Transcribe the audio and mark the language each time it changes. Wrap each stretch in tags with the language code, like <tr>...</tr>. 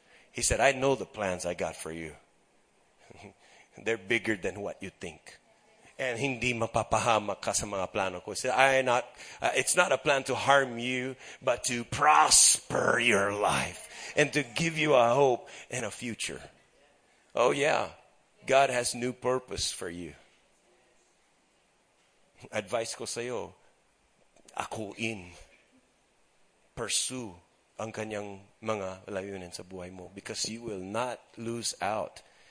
<en>He said, I know the plans I got for you. They're bigger than what you think.</en> <tl>And hindi mapapahamak ka sa mga plano ko.</tl> <en>It's not a plan to harm you, but to prosper your life and to give you a hope and a future. Oh yeah, God has new purpose for you.</en> <tl>Advice ko sa'yo, akuin, pursue ang kanyang mga layunin sa buhay mo,</tl> <en>because you will not lose out.</en>